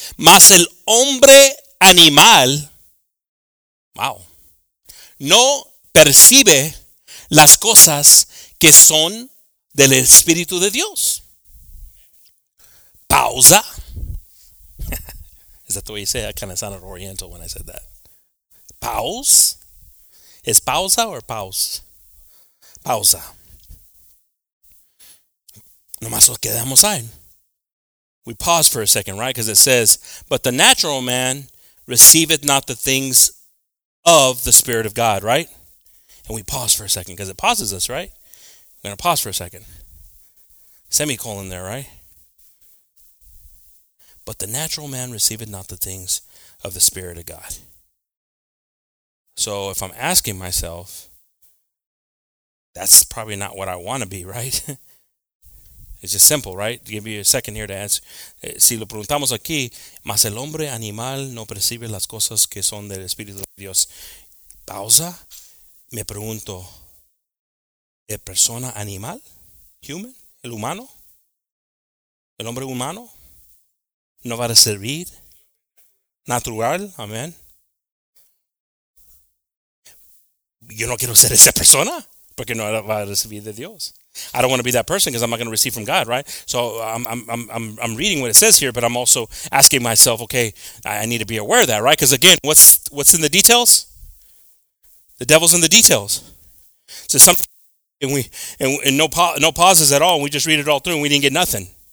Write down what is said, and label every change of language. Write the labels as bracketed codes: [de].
[es] Mas el hombre animal, wow, no percibe las cosas que son del Espíritu de Dios. Pausa. [en] Is that the way you say it? I kind of sounded oriental when I said that. Pause? Is pausa or pause? Pausa. [es] Nomás lo quedamos ahí. [en] We pause for a second, right? Because it says, but the natural man receiveth not the things of the Spirit of God, right? And we pause for a second because it pauses us, right? We're going to pause for a second. Semicolon there, right? But the natural man receiveth not the things of the Spirit of God. So if I'm asking myself, that's probably not what I want to be, right? It's just simple, right? Give you a second here to answer. [es] Si lo preguntamos aquí, mas el hombre animal no percibe las cosas que son del Espíritu de Dios. Pausa. Me pregunto, ¿el persona animal? Human? ¿El humano? ¿El hombre humano? ¿No va a servir? ¿Natural? Amén. Yo no quiero ser esa persona porque no va a recibir de Dios. [en] I don't want to be that person because I'm not going to receive from God, right? So I'm reading what it says here, but I'm also asking myself, okay, I need to be aware of that, right? Because again, what's in the details? The devil's in the details. So no pauses at all. And we just read it all through, and we didn't get nothing.